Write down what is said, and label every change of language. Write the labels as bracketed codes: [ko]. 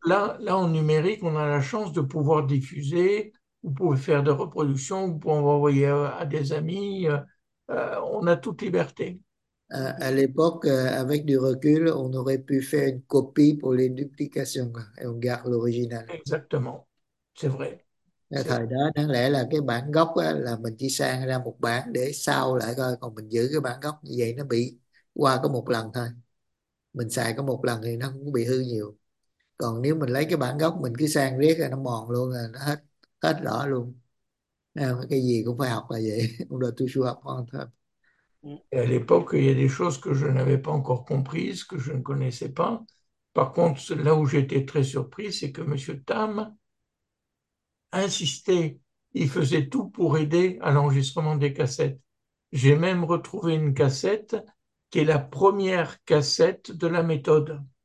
[fr] Là, en numérique, on a la chance de pouvoir diffuser. Vous pouvez faire des reproductions, vous pouvez envoyer à des amis, on a toute liberté. À l'époque, avec du recul, on aurait pu faire une copie pour les duplications et on garde l'original. Exactement, c'est vrai. [vi] Thời đó đáng lẽ là cái bản gốc á, là mình chỉ sang ra một bản để sao lại coi, còn mình giữ cái bản gốc như vậy nó bị qua có một lần thôi. Mình xài có một lần thì nó cũng bị hư nhiều. Còn nếu mình lấy cái bản gốc mình cứ sang riết là nó mòn luôn rồi nó hết hết rõ luôn. Cái gì cũng phải học là vậy. Cũng là tôi học không thôi. [fr] Et à l'époque, il y a des choses que je n'avais pas encore comprises, que je ne connaissais pas. Par contre, là où j'étais très surpris, c'est que M. Tam insistait, il faisait tout pour aider à l'enregistrement des cassettes. J'ai même retrouvé une cassette qui est la première cassette de la méthode.